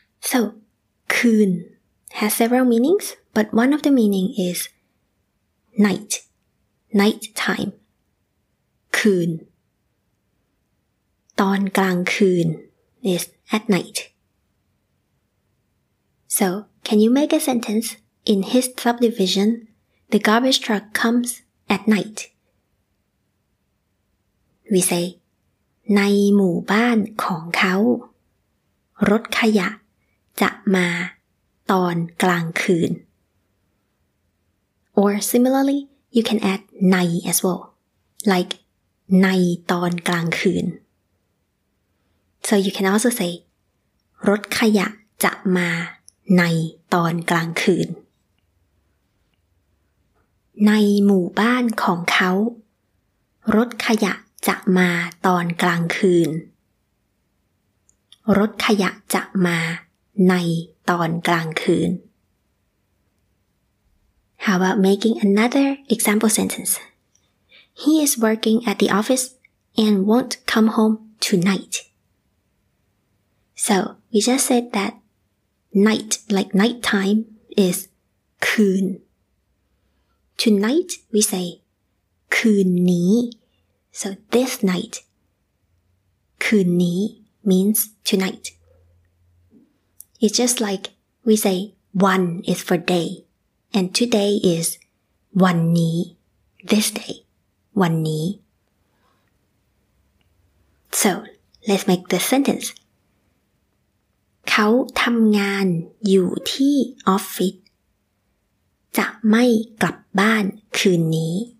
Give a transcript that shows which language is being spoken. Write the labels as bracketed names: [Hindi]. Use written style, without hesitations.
[English] So, คืน has several meanings, but one of the meaning is night, night time. คืน. ตอนกลางคืน is at night. So, can you make a sentence? In his subdivision, the garbage truck comes at night. We say, [Thai] ในหมู่บ้านของเขารถขยะจะมาตอนกลางคืน [English] Or similarly, you can add ใน as well, like ในตอนกลางคืน So you can also say, [Thai] รถขยะจะมาในตอนกลางคืน ในหมู่บ้านของเขารถขยะจะมาตอนกลางคืนรถขยะจะมาในตอนกลางคืน [English] How about making another example sentence? He is working at the office and won't come home tonight. So we just said that night, like nighttime, is คืน Tonight, we say คืนนี้ So this night, คืนนี้ means tonight. It's just like we say one is for day. And today is วันนี้ this day วันนี้ So let's make the sentence [Thai] เขาทำงานอยู่ที่ออฟฟิศจะไม่กลับบ้านคืนนี้